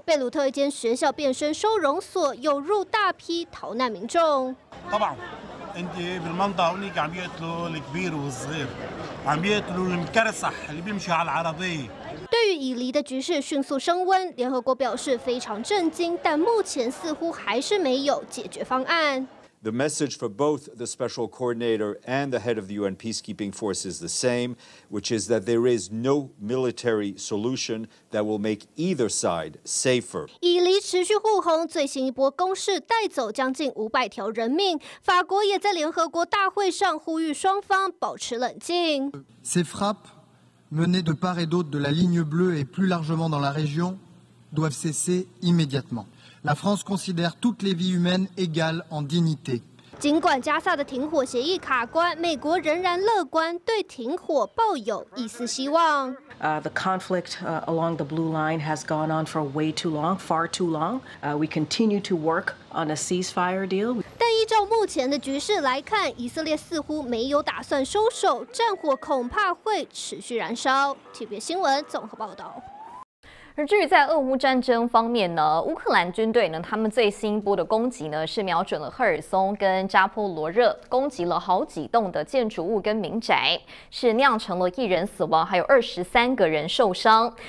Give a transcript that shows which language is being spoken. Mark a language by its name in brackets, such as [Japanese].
[Chinese] 贝鲁特一间学校变身收容所，有入大批逃难民众。对于以黎的局势迅速升温，联合国表示非常震惊，但目前似乎还是没有解决方案。 [English] The message for both the special coordinator and the head of the UN peacekeeping force is the same, which is that there is no military solution that will make either side safer. [Chinese] 以黎持续互轰，最新一波攻势带走将近500条人命。法国也在联合国大会上呼吁双方保持冷静。 [French] Ces frappes menées de part et d'autre de la ligne bleue et plus largement dans la région doivent cesser immédiatement. La France considère toutes les vies humaines égales en dignité. [Chinese] 尽管加萨的停火协议卡关，美国仍然乐观，对停火抱有一丝希望。 [English] The conflict along the blue line has gone on for way too long, far too long. We continue to work on a ceasefire deal. [Chinese] 但依照目前的局势来看，以色列似乎没有打算收手，战火恐怕会持续燃烧。 TVBS新闻综合报道。而至于在俄乌战争方面呢，乌克兰军队呢，他们最新一波的攻击呢，是瞄准了赫尔松跟扎波罗热，攻击了好几栋的建筑物跟民宅，是酿成了一人死亡，还有23个人受伤。